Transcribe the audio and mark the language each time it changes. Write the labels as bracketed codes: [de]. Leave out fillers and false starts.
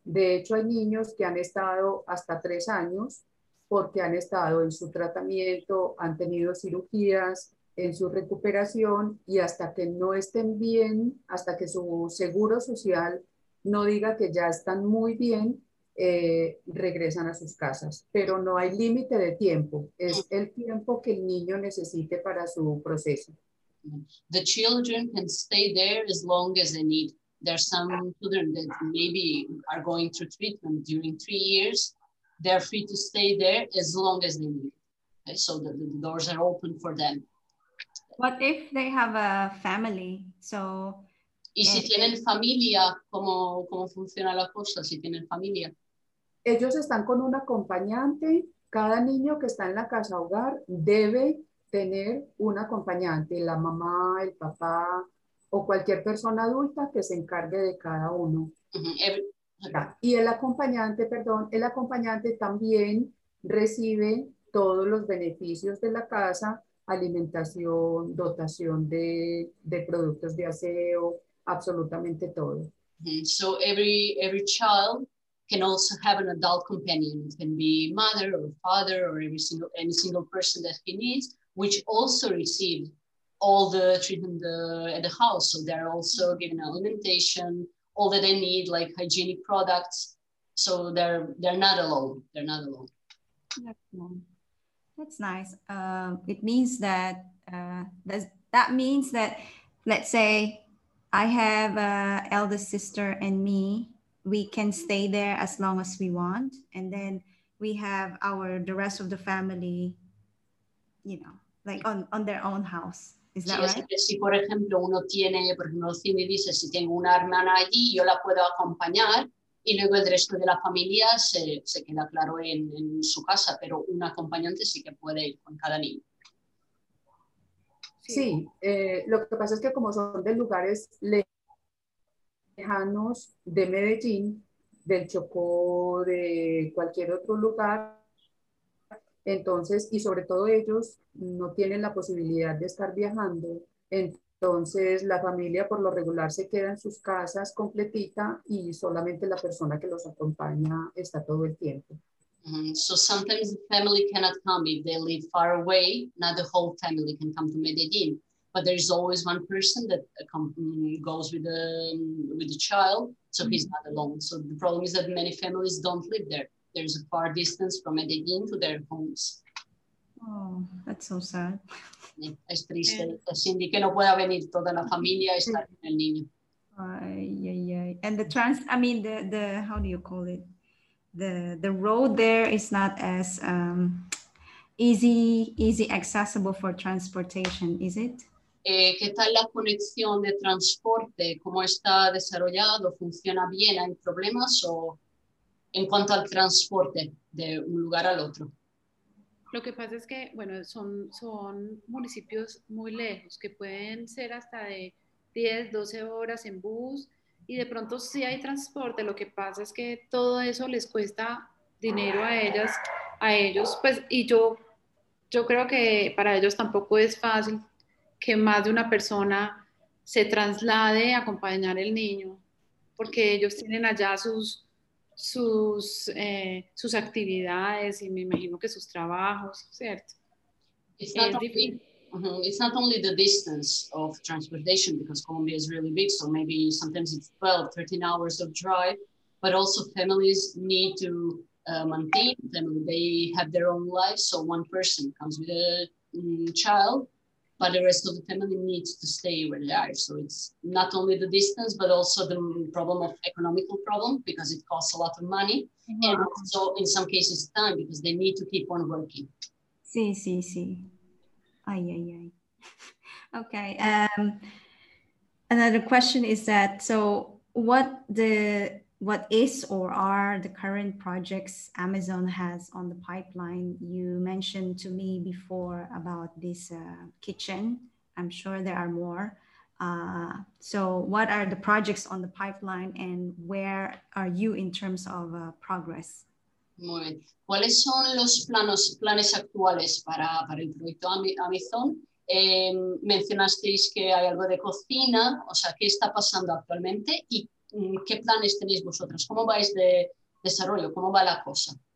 [es] De hecho, hay niños que han estado hasta 3 años porque han estado en su tratamiento, han tenido cirugías, en su recuperación, y hasta que no estén bien, hasta que su seguro social no diga que ya están muy bien, regresan a sus casas. Pero no hay límite de tiempo. Es el tiempo que el niño necesite para su proceso. [en] The children can stay there as long as they need. There's some children that maybe are going through treatment during 3 years. They're free to stay there as long as they need. Okay? So the doors are open for them. What if they have a family? So. [es] ¿Y si tienen familia? ¿Cómo funciona la cosa si tienen familia? Ellos están con un acompañante. Cada niño que está en la casa hogar debe tener un acompañante. La mamá, el papá, o cualquier persona adulta que se encargue de cada uno. Y el acompañante también recibe todos los beneficios de la casa: alimentación, dotación de productos de aseo, absolutamente todo. [en] So every child can also have an adult companion. It can be mother or father or any single person that he needs, which also receives all the treatment at the house. So they're also given alimentation, all that they need, like hygienic products. So they're not alone. That's nice. It means that, let's say I have a elder sister and me, we can stay there as long as we want. And then we have the rest of the family, you know, like on their own house. [es] Si por ejemplo uno tiene, por ejemplo, Cindy dice, si tengo una hermana allí, yo la puedo acompañar, y luego el resto de la familia se queda claro en su casa, pero un acompañante sí que puede ir con cada niño. Sí, lo que pasa es que como son de lugares lejanos, de Medellín, del Chocó, de cualquier otro lugar, entonces, y sobre todo ellos no tienen la posibilidad de estar viajando, entonces la familia por lo regular se queda en sus casas completita y solamente la persona que los acompaña está todo el tiempo. [en] Yeah. So sometimes the family cannot come if they live far away. Not the whole family can come to Medellin, but there is always one person that goes with the child, so mm-hmm. he's not alone. So the problem is that many families don't live there. There's a far distance from Medellin to their homes. Oh, that's so sad. [es] Es triste. Es Cindy que no pueda venir toda la familia a estar con el niño. [en] And the trans, I mean, the how do you call it? The road there is not as easy accessible for transportation, is it? [es] ¿Qué tal la conexión de transporte? ¿Cómo está desarrollado? ¿Funciona bien? ¿Hay problemas o en cuanto al transporte de un lugar al otro? Lo que pasa es que, bueno, son municipios muy lejos, que pueden ser hasta de 10, 12 horas en bus, y de pronto sí hay transporte. Lo que pasa es que todo eso les cuesta dinero a ellos, pues, y yo creo que para ellos tampoco es fácil que más de una persona se traslade a acompañar al niño, porque ellos tienen allá sus actividades y me imagino que sus trabajos, ¿cierto? [en] It's not only the distance of transportation, because Colombia is really big, so maybe sometimes it's 12, 13 hours of drive, but also families need to maintain them. They have their own lives, so one person comes with a child, but the rest of the family needs to stay where they are. So it's not only the distance, but also the problem of economical problem, because it costs a lot of money. Wow. And also in some cases time, because they need to keep on working. [es] Sí, sí, sí. Ay, ay, ay. [en] Okay. Another question is that, so what is or are the current projects Amizón has on the pipeline? You mentioned to me before about this kitchen. I'm sure there are more. So what are the projects on the pipeline and where are you in terms of progress? [es] Muy bien. ¿Cuáles son los planes actuales para el proyecto Amizón? Mencionasteis que hay algo de cocina, o sea, ¿qué está pasando actualmente y qué planes tenéis vosotras? ¿Cómo vais de desarrollo? ¿Cómo va la cosa?